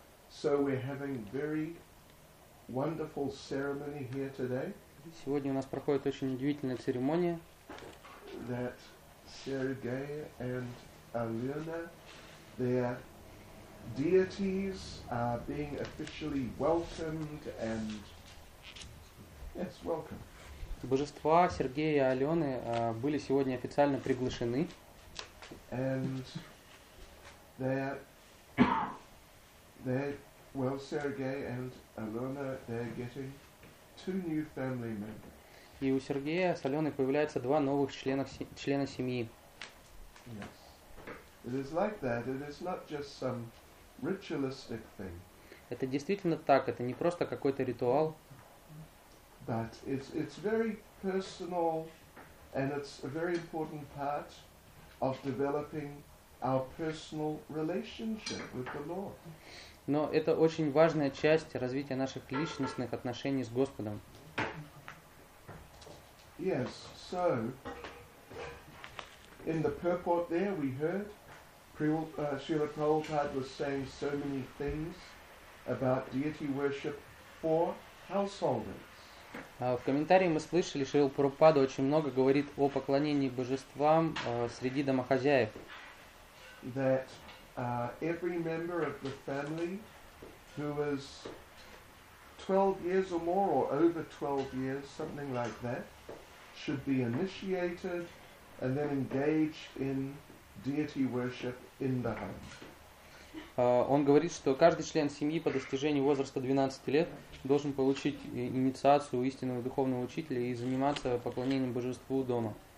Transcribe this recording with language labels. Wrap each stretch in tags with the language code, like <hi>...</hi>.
<en>So we're having very wonderful ceremony here today.</en> <ru>Сегодня у нас проходит очень удивительная церемония.</ru> <en>That Sergei and Alina, they are deities are being officially welcomed and yes, welcome.</en> <ru>Божества Сергея и Алены были сегодня официально приглашены.</ru> <en>And they're well, Sergei and Alena, they're getting two new family members.</en> <ru>И у Сергея с Аленой появляются два новых члена семьи.</ru> <en>Yes. It is like that. It is not just some ritualistic thing.</en> <ru>Это действительно так, это не просто какой-то ритуал.</ru> <en>But it's very personal and it's a very important part of developing our personal relationship with the Lord.</en> <ru>Но это очень важная часть развития наших личностных отношений с Господом.</ru> <en>Yes, so in the purport there we heard Srila Prabhupada was saying so many things about deity worship for householders.</en> <ru>В комментарии мы слышали, Шрила Прабхупада очень много говорит о поклонении божествам среди домохозяев.</ru> <en>That every member of the family who is 12 years or more or over 12 years, something like that, should be initiated and then engaged in deity worship in the home.</en> <ru>Он говорит, что каждый член семьи по достижении возраста 12 лет должен получить инициацию истинного духовного учителя и заниматься поклонением божеству дома.</ru>